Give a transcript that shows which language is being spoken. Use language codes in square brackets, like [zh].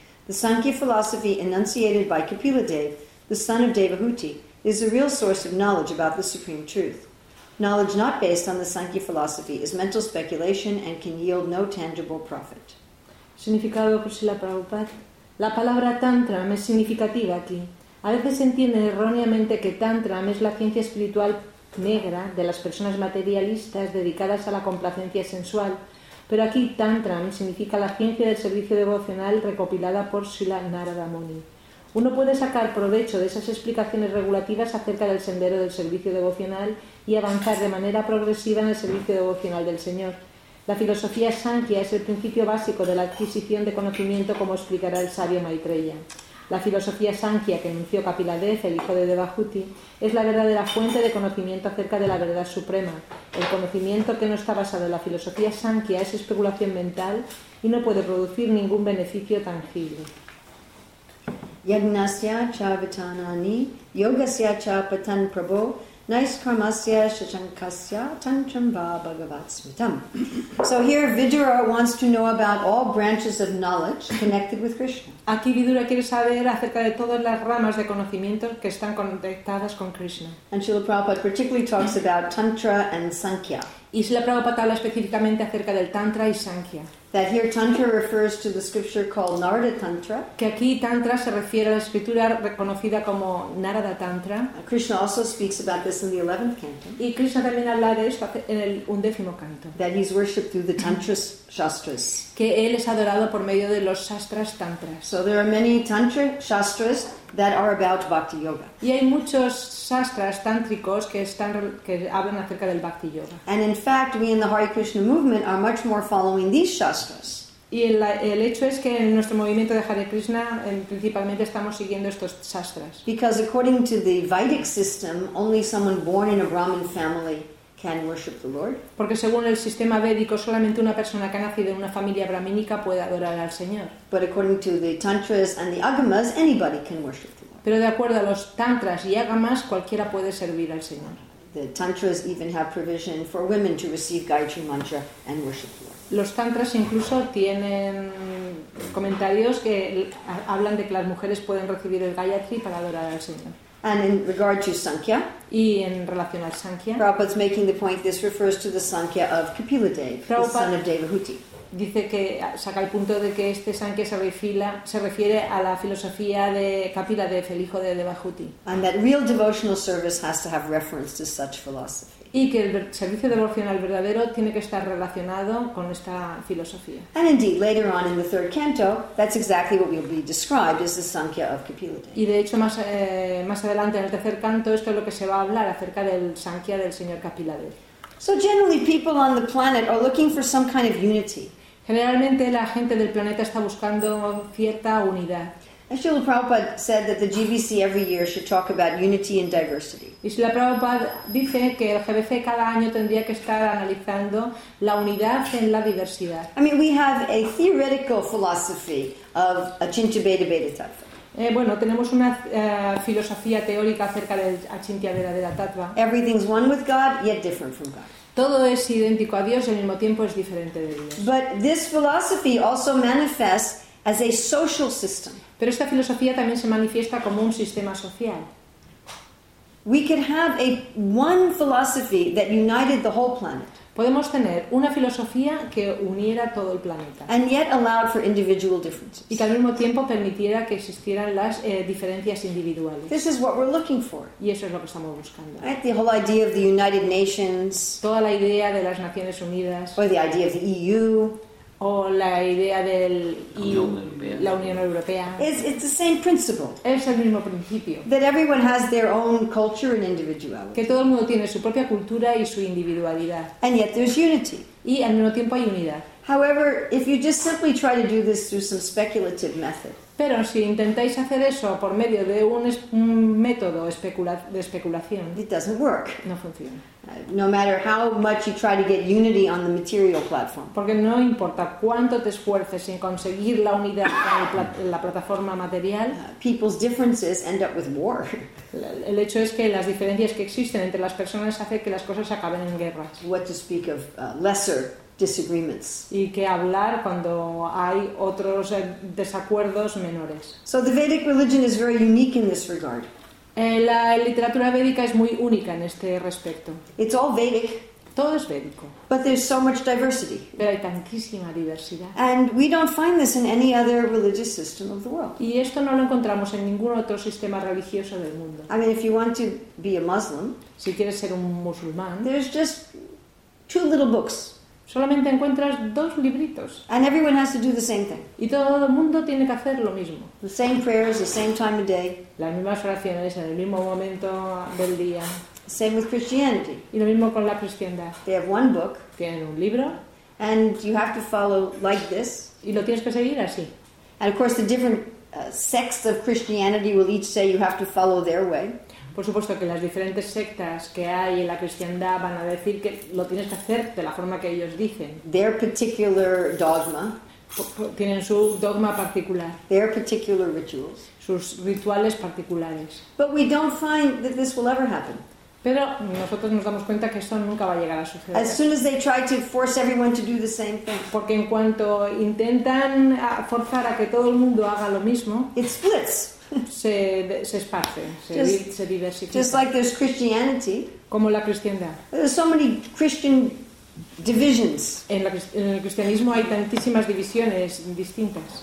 [en] The Sankhya philosophy enunciated by Kapiladeva, the son of Devahuti, is the real source of knowledge about the Supreme Truth. Knowledge not based on the Sankhya philosophy is mental speculation and can yield no tangible profit. [es] Significado por Srila Prabhupada. La palabra tantram es significativa aquí. A veces se entiende erróneamente que tantram es la ciencia espiritual negra de las personas materialistas dedicadas a la complacencia sensual, pero aquí tantram significa la ciencia del servicio devocional recopilada por Srila Narada Muni. Uno puede sacar provecho de esas explicaciones regulativas acerca del sendero del servicio devocional y avanzar de manera progresiva en el servicio devocional del Señor. La filosofía Sankhya es el principio básico de la adquisición de conocimiento, como explicará el sabio Maitreya. La filosofía Sankhya, que enunció Kapiladeva, el hijo de Devahuti, es la verdadera fuente de conocimiento acerca de la verdad suprema. El conocimiento que no está basado en la filosofía Sankhya es especulación mental y no puede producir ningún beneficio tangible. [sa] Yagnasya cha vitanani, yogasya cha patan prabho, naishkarmasya shachankasya tantram va bhagavat smitam. [en] So here Vidura wants to know about all branches of knowledge connected with Krishna. [es] Aquí Vidura quiere saber acerca de todas las ramas de conocimiento que están conectadas con Krishna. [en] And Srila Prabhupada particularly talks about tantra and sankhya. [es] Y Srila Prabhupada habla específicamente acerca del tantra y sankhya. [en] That here tantra refers to the scripture called Narada Tantra. [es] Que aquí tantra se refiere a la escritura reconocida como Narada Tantra. [en] Krishna also speaks about this in the 11th canto. [es] Y Krishna también habla de esto en el undécimo canto. [en] That he's worshipped through the tantra shastras. [es] Que él es adorado por medio de los shastras tantras. [en] So there are many tantra shastras that are about bhakti yoga. [es] Y hay muchos shastras tántricos que hablan acerca del bhakti yoga. [en] And in fact, we in the Hare Krishna movement are much more following these shastras. [es] Y el hecho es que en nuestro movimiento de Hare Krishna principalmente estamos siguiendo estos shastras. [en] Because according to the Vedic system, only someone born in a Brahmin family can worship the Lord. [es] Porque según el sistema védico, solamente una persona que ha nacido en una familia brahmínica puede adorar al Señor. [en] But according to the tantras and the agamas, anybody can worship the Lord. [es] Pero de acuerdo a los tantras y agamas, cualquiera puede servir al Señor. [en] The tantras even have provision for women to receive Gayatri Mantra and worship the Lord. [es] Los tantras incluso tienen comentarios que hablan de que las mujeres pueden recibir el Gayatri para adorar al Señor. [en] And in regard to Sankhya, [es] y en relación al Sankhya, [en] Prabhupada's making the point this refers to the Sankhya of Kapiladeva, the son of Devahuti. [es] dice que saca el punto de que este Sankhya se refiere a la filosofía de Kapila Dev, el hijo de Devahuti. [en] And that real devotional service has to have reference to such philosophy. [es] Y que el servicio devocional verdadero tiene que estar relacionado con esta filosofía. [en] And indeed, later on in the third canto, that's exactly what will be described as the Sankhya of Kapila Dev. [es] Y de hecho, más adelante en el tercer canto, esto es lo que se va a hablar acerca del Sankhya del señor Kapila Dev. [en] So generally, people on the planet are looking for some kind of unity. [es] Generalmente, la gente del planeta está buscando cierta unidad. [en] And Srila Prabhupada said that the GBC every year should talk about unity and diversity. [es] Y Srila Prabhupada dice que el GBC cada año tendría que estar analizando la unidad en la diversidad. [en] I mean, we have a theoretical philosophy of Achintya-Bheda-Bheda-Tattva. [es] Bueno, tenemos una filosofía teórica acerca del Achintya-Bheda-Bheda-Tattva. [en] Everything's one with God, yet different from God. [es] Todo es idéntico a Dios, y al mismo tiempo es diferente de Dios. [en] But this philosophy also manifests as a social system. [es] Pero esta filosofía también se manifiesta como un sistema social. [en] We could have a one philosophy that united the whole planet. [es] Podemos tener una filosofía que uniera todo el planeta. [en] And yet allowed for individual differences. [es] Y que al mismo tiempo permitiera que existieran las diferencias individuales. [en] This is what we're looking for. [es] Y eso es lo que estamos buscando. [en] Right? The whole idea of the United Nations. [es] Toda la idea de las Naciones Unidas. [en] Or the idea of the EU. [es] O la idea del EU, la Unión Europea. [en] It's the same principle. [es] Es el mismo principio. [en] That everyone has their own culture and individuality. [es] Que todo el mundo tiene su propia cultura y su individualidad. [en] And yet there's unity. [es] Y al mismo tiempo hay unidad. [en] However, if you just simply try to do this through some speculative method. [es] Pero si intentáis hacer eso por medio de un método de especulación, [en] it doesn't work. [es] No funciona. [en] No matter how much you try to get unity on the material platform. [es] Porque no importa cuánto te esfuerces en conseguir la unidad en la plataforma material, [en] people's differences end up with war. [es] El hecho es que las diferencias que existen entre las personas hace que las cosas acaben en guerras. [en] What to speak of lesser disagreements. [es] Y que hablar cuando hay otros desacuerdos menores. [en] So the Vedic religion is very unique in this regard. [es] La literatura védica es muy única en este respecto. [en] It's all Vedic. [es] Todo es védico. [en] But there's so much diversity. [es] Pero hay tantísima diversidad. [en] And we don't find this in any other religious system of the world. [es] Y esto no lo encontramos en ningún otro sistema religioso del mundo. [en] I mean, if you want to be a Muslim, [es] si quieres ser un musulmán, [en] there's just two little books. [es] Solamente encuentras dos libritos. [en] And everyone has to do the same thing. [es] Y todo el mundo tiene que hacer lo mismo. [en] The same prayers, the same time of day. [es] Las mismas oraciones en el mismo momento del día. [en] Same with Christianity. [es] Y lo mismo con la cristiandad. [en] They have one book. [es] Tienen un libro. [en] And you have to follow like this. [es] Y lo tienes que seguir así. [en] And of course the different sects of Christianity will each say you have to follow their way. [es] Por supuesto que las diferentes sectas que hay en la cristiandad van a decir que lo tienes que hacer de la forma que ellos dicen. [en] Their particular dogma. [es] Tienen su dogma particular. [en] Their particular rituals. [es] Sus rituales particulares. [en] But we don't find that this will ever happen. [es] Pero nosotros nos damos cuenta que esto nunca va a llegar a suceder. [en] As soon as they try to force everyone to do the same thing. [es] Porque en cuanto intentan forzar a que todo el mundo haga lo mismo, [en] it splits. [es] Se esparce, se diversifica. [en] Just like there's Christianity, [es] como la cristiandad. [en] There's so many Christian divisions. [es] En el cristianismo hay tantísimas divisiones distintas.